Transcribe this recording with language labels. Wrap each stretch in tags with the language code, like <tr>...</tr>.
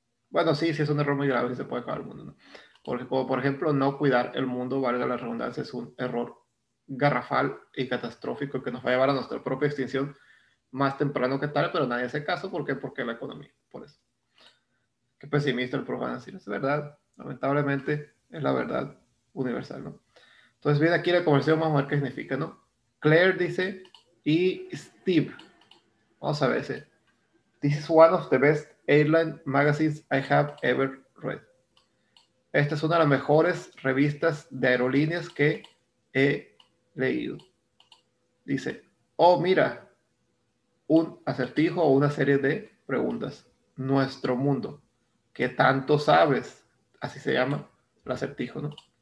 <es>Bueno, sí, sí es un error muy grave, se puede acabar el mundo, ¿no? Porque como, por ejemplo, no cuidar el mundo, valga la redundancia, es un error garrafal y catastrófico que nos va a llevar a nuestra propia extinción más temprano que tarde, pero nadie hace caso. ¿Por qué? Porque la economía, por eso. Qué pesimista el profe, decir, es verdad, lamentablemente, es la verdad universal, ¿no? Entonces, viene aquí la conversación, vamos a ver qué significa, ¿no?</es> <en>Claire dice, y Steve,</en> <es>vamos a ver,</es> <en>this is one of the best airline magazines I have ever read.</en> <es>Esta es una de las mejores revistas de aerolíneas que he leído. Dice, oh, mira, un acertijo o una serie de preguntas. Nuestro mundo. ¿Qué tanto sabes? Así se llama el acertijo, ¿no?</es>